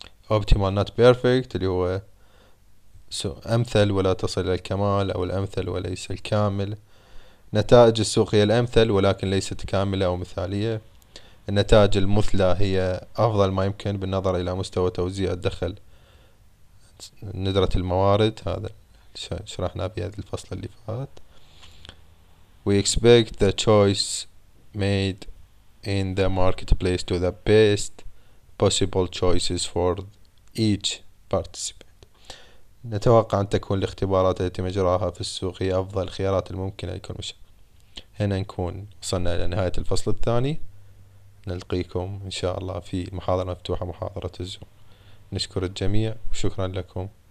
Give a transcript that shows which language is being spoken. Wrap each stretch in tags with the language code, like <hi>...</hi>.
<en>Optimal not perfect</en> <ar>اللي هو أمثل ولا تصل إلى الكمال أو الأمثل وليس الكامل. نتائج السوق هي الأمثل ولكن ليست كاملة أو مثالية. النتائج المثلى هي أفضل ما يمكن بالنظر إلى مستوى توزيع الدخل ندرة الموارد. هذا شرحنا في هذا الفصل اللي فات.</ar> <en>We expect the choice made in the marketplace to the best possible choices for each participant.</en> <ar>نتوقع أن تكون الاختبارات التي مجراها في السوق هي أفضل الخيارات الممكنة لكل مشاهد. هنا نكون وصلنا إلى نهاية الفصل الثاني. نلقيكم إن شاء الله في محاضرة مفتوحة محاضرة الزوم. نشكر الجميع وشكرا لكم.</ar>